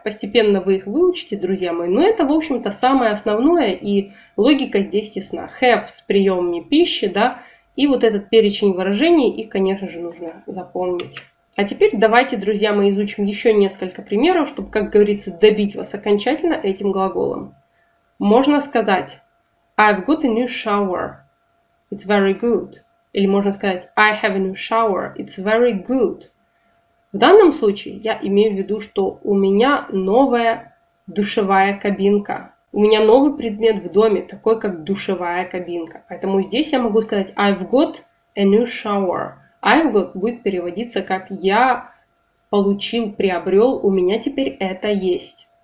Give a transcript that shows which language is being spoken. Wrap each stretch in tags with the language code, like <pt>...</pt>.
<ru>Постепенно вы их выучите, друзья мои. Но это, в общем-то, самое основное, и логика здесь ясна. Have с приемами пищи, да, и вот этот перечень выражений, их, конечно же, нужно запомнить. А теперь давайте, друзья мои, изучим еще несколько примеров, чтобы, как говорится, добить вас окончательно этим глаголом. Можно сказать</ru> <en>I've got a new shower. It's very good.</en> <ru>Или можно сказать</ru> <en>I have a new shower, it's very good.</en> <ru>В данном случае я имею в виду, что у меня новая душевая кабинка. У меня новый предмет в доме, такой как душевая кабинка. Поэтому здесь я могу сказать</ru> <en>I've got a new shower.</en> <ru>I've got будет переводиться как я получил, приобрел, у меня теперь это есть.</ru>